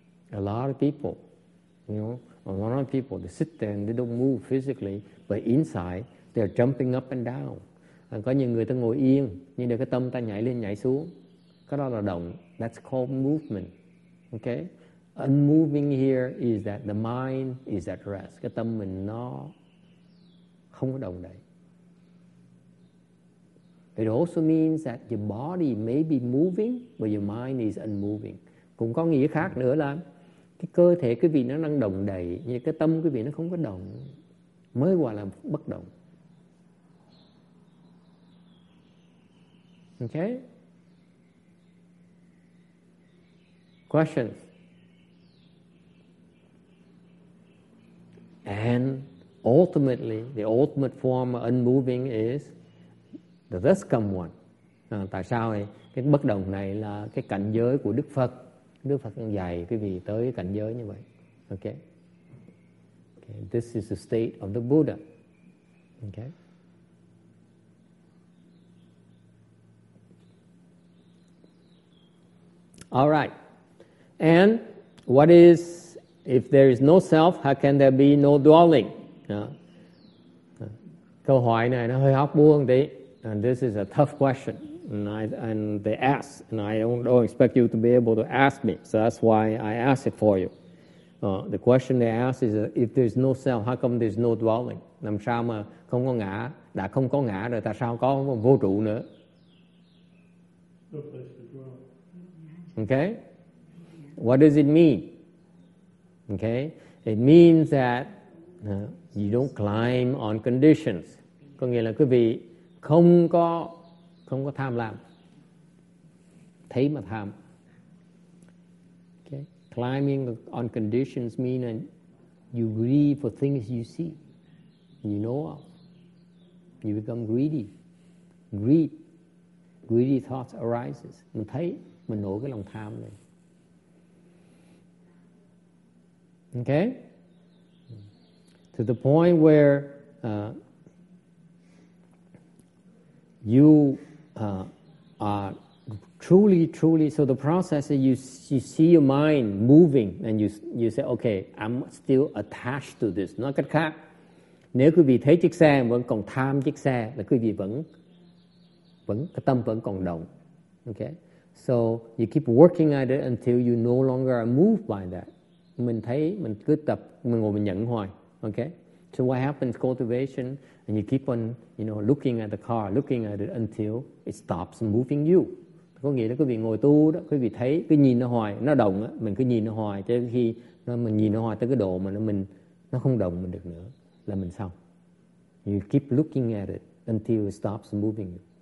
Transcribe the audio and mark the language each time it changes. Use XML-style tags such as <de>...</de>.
<en>A lot of people, they sit there and they don't move physically, but inside they're jumping up and down.</en> <vi>And có nhiều người ta ngồi yên nhưng để cái tâm ta nhảy lên nhảy xuống, cái đó là động.</vi> <en>That's called movement. Okay, unmoving here is that the mind is at rest.</en> <vi>Cái tâm mình nó không có động đậy.</vi> <en>It also means that your body may be moving, but your mind is unmoving.</en> <vi>Cũng có nghĩa khác nữa là cái cơ thể quý vị nó đang động đậy, nhưng cái tâm quý vị nó không có động, mới gọi là bất động.</vi> <en>Okay? Questions? And ultimately, the ultimate form of unmoving is the thus come one.</en> <vi>À, tại sao ấy? Cái bất động này là cái cảnh giới của Đức Phật. Đức Phật đang dạy quý vị tới cảnh giới như vậy.</vi> <en>Okay. Okay. This is the state of the Buddha. Okay. All right. And what is, if there is no self, how can there be no dwelling?</en> <vi>Câu hỏi này nó hơi hóc búa tí.</vi> <en>And this is a tough question. And they ask, and I don't expect you to be able to ask me, so that's why I ask it for you. The question they ask is, if there's no self, how come there's no dwelling?</en> <vi>Làm sao mà không có ngã, đã không có ngã rồi, tại sao có vô trụ nữa?</vi> <en>No place to dwell. Okay? What does it mean? Okay? It means that you don't climb on conditions.</en> <vi>Có nghĩa là quý vị không có tham lam, thấy mà tham.</vi> <en>Okay, climbing on conditions mean that you greedy for things you see, you know of. You become greedy, greedy thoughts arises.</en> <vi>Mình thấy mình nổi cái lòng tham này.</vi> <en>Okay, to the point where you are truly. So the process is you see your mind moving, and you say, okay, I'm still attached to this.</en> <vi>Nói cách khác, nếu quý vị thấy chiếc xe vẫn còn tham chiếc xe, là quý vị vẫn cái tâm vẫn còn động.</vi> <en>Okay, so you keep working at it until you no longer are moved by that.</en> <vi>Mình thấy mình cứ tập mình ngồi mình nhẫn hoài.</vi> <en>Okay, so what happens? Cultivation. And you keep on, you know, looking at the car, looking at it until it stops moving you.</en> <vi>Có nghĩa là quý vị ngồi tu đó, quý vị thấy, cứ nhìn nó hoài, nó động á, mình cứ nhìn nó hoài, cho khi mình nhìn nó hoài tới cái độ mà nó không động mình được nữa, là mình xong.</vi> <en>You keep looking at it until it stops moving you.</en>